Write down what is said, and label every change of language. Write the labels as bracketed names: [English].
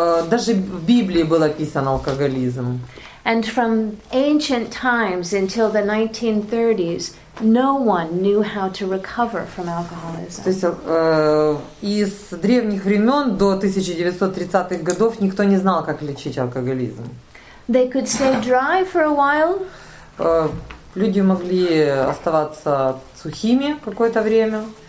[Russian] Даже в Библии был описан алкоголизм. [English] And from ancient times until the 1930s, no one knew how то recover from alcoholism. [Russian] Из древних времен до 1930-х годов никто не знал, как лечить алкоголизм. [English] They could stay dry for a while. [Russian] Люди могли оставаться сухими какое-то время.